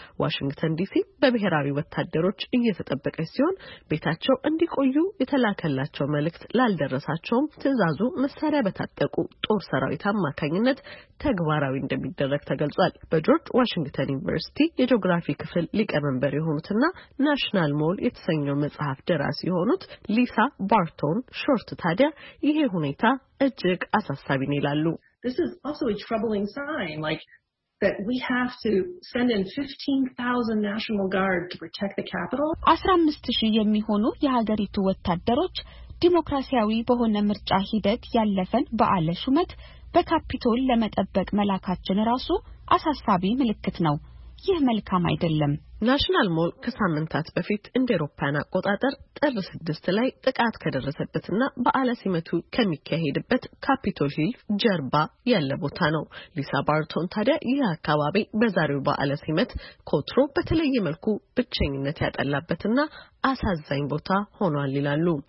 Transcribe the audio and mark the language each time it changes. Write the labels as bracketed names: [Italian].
[Amharic] ዋሽንግተን ዲሲ በብሔራዊ ወታደሮች እየተጠበቀች ሲሆን ቤታቸው እንዲቆዩ የተላከላቸው መልእክት ላልደረሳቸውም ትዕዛዙ መሳሪያ በታጠቁ ጦር ሰራዊት አማካኝነት ተግባራዊ እንደሚደረግ ተገልጿል። በጆርጅ ዋሽንግተን ዩኒቨርሲቲ የጂኦግራፊ ክፍል ሊቀመንበር የሆኑትና ናሽናል ሞል የተሰኘው መጽሐፍ ደራሲ የሆኑት ሊሳ ባርቶን ሾርት ታዲያ ይሄ ሁኔታ እጅግ አሳሳቢ ነው ይላሉ። [English] This is also a troubling sign, like that we have to send in 15,000 National Guard to protect the capital. [Amharic] 15,000 የሚሆኑ የሀገሪቱ ወታደሮች ዲሞክራሲያዊ በሆነ ምርጫ ሂደት ያለፈን በዓለ ሹመት በካፒቶል ለመጠበቅ መላካችን ራሱ አሳሳቢ ምልክት ነው። ይህ መልካም አይደለም። ናሽናል ሞል ከሳምንታት በፊት እንደ አውሮፓና ቆጣጣር ጥር 6 ላይ ጥቃት ከደረሰበትና በዓለ ሲመቱ ከሚካሄድበት ካፒቶል ሂል ጀርባ ያለ ቦታ ነው። ሊሳ ባርቶን ታዲያ ይህ አካባቢ በዛሬው በዓለ ሲመት ኮትሮ በተለየ መልኩ ብቸኝነት ያጠላበትና አሳዛኝ ቦታ ሆኗል ይላሉ።